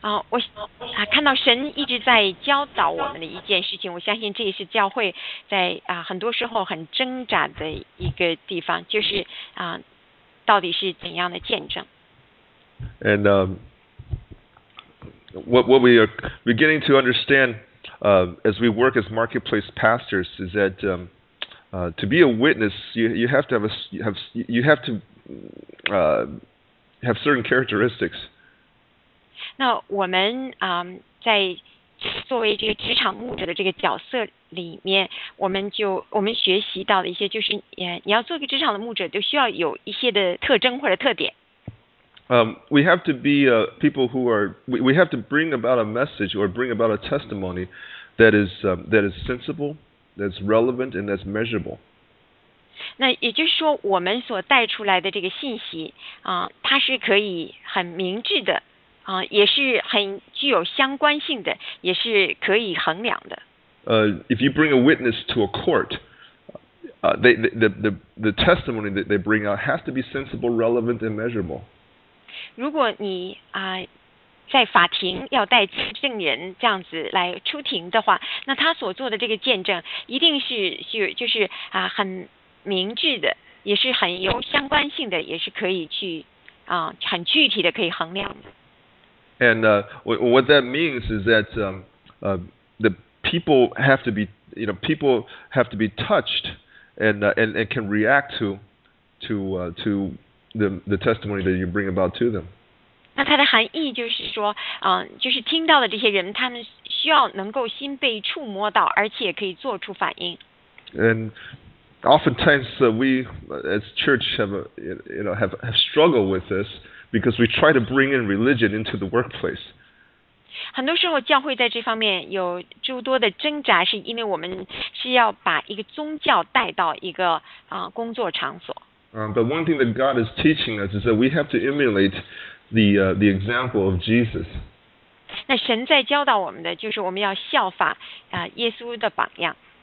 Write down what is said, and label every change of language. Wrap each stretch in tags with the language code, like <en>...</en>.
<zh>我看到神一直在教导我们的一件事情，我相信这也是教会在很多时候很挣扎的一个地方，就是到底是怎样的见证。</zh> <en>And what we are beginning to understand as we work as marketplace pastors is that to be a witness, you have to have certain characteristics.</en> <zh>那我们在作为这个职场牧者的这个角色里面，我们学习到的一些就是，你要做一个职场的牧者，就需要有一些的特征或者特点。</zh> <en>We have to be people who are we have to bring about a message or bring about a testimony that is sensible, that's relevant, and that's measurable.</en> <zh>那也就是说，我们所带出来的这个信息它是可以很明智的。也是很具有相关性的，也是可以衡量的。</zh> <en>If you bring a witness to a court, the testimony that they bring out has to be sensible, relevant, and measurable.</en> <zh>如果你在法庭要带见证人这样子来出庭的话，那他所做的这个见证一定是很明智的，也是很有相关性的，也是可以去很具体的可以衡量的。</zh> <en>And what that means is that the people have to be, you know, people have to be touched and can react to the testimony that you bring about to them.</en> <zh>那它的含义就是说，就是听到的这些人，他们需要能够心被触摸到，而且可以做出反应。</zh> <en>And oftentimes we as church have have struggled with this because we try to bring in religion into the workplace.</en> <zh>很多时候教会在这方面有诸多的挣扎，是因为我们是要把一个宗教带到一个工作场所。</zh> <en>But one thing that God is teaching us is that we have to emulate the example of Jesus.</en> <zh>那神在教导我们的就是我们要效法耶稣的榜样。</zh>